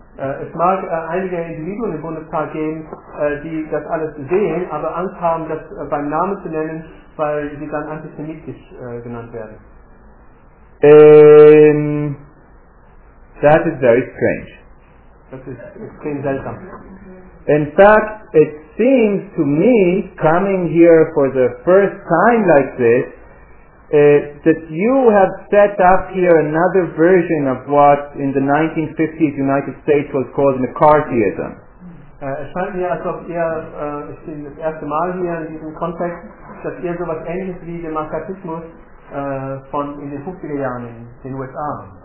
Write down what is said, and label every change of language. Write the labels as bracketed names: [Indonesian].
[German] Es mag einige Individuen im Bundestag geben, die das alles sehen, aber Angst haben, das beim Namen zu nennen, weil sie dann antisemitisch genannt werden. [English] That is very strange. [German] Das ist extrem seltsam. [English] In fact, it seems to me, coming here for the first time like this, that you have set up here another version of what in the 1950s United States was called McCarthyism. [German] Es scheint mir, als ob ihr, ich bin das erste Mal hier in diesem Kontext, dass ihr so etwas Ähnliches wie den Makartismus von in den 50er Jahren in den USA.